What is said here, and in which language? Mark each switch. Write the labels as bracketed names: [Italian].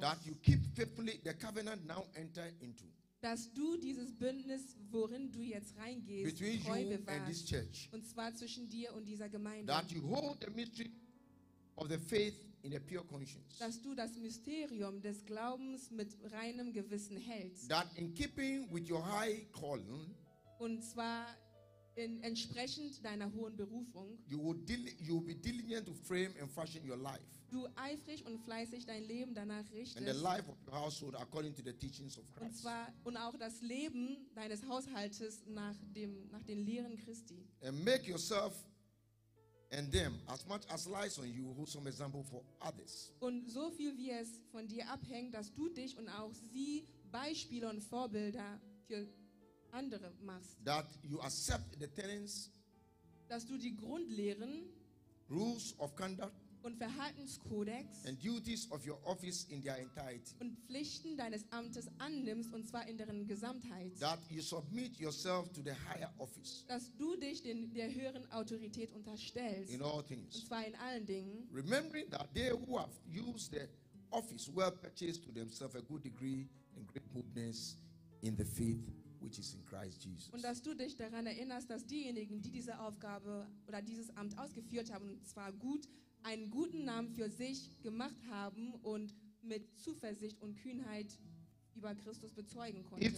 [English] that you keep faithfully the covenant now enter into, [German] dass du dieses Bündnis, worin du jetzt reingehst, [English] between [German] treu bewahrst, [English] and this church, [German] und zwar zwischen dir und dieser Gemeinde, [English] that you hold the mystery of the faith in a pure conscience, [German] dass du das Mysterium des Glaubens mit reinem Gewissen hältst, [English] that in keeping with your high calling, [German] und zwar in entsprechend deiner hohen Berufung, [English] you will be diligent to frame and fashion your life, [German] du eifrig und fleißig dein Leben danach richtest, [English] and the life of your household according to the teachings of Christ, [German] und zwar und auch das Leben deines Haushaltes nach den Lehren Christi, [English] and make yourself and them as much as lies on you hold some example for others, [German] und so viel wie es von dir abhängt, dass du dich und auch sie Beispiele und Vorbilder für andere machst, [English] that you accept the tenets, [German] dass du die Grundlehren, [English] rules of conduct, [German] und Verhaltenskodex, [English] and duties of your office in their entirety, [German] und Pflichten deines Amtes annimmst, und zwar in deren Gesamtheit, [English] that you submit yourself to the higher office, [German] dass du dich der höheren Autorität unterstellst, [English] in all things, [German] und zwar in allen Dingen, [English] remembering that they who have used the office well purchased to themselves a good degree and great boldness in the faith which is in Christ Jesus. [German] Und dass du dich daran erinnerst, dass diejenigen, die diese Aufgabe oder dieses Amt ausgeführt haben, zwar gut, einen guten Namen für sich gemacht haben und mit Zuversicht und Kühnheit über Christus bezeugen konnten.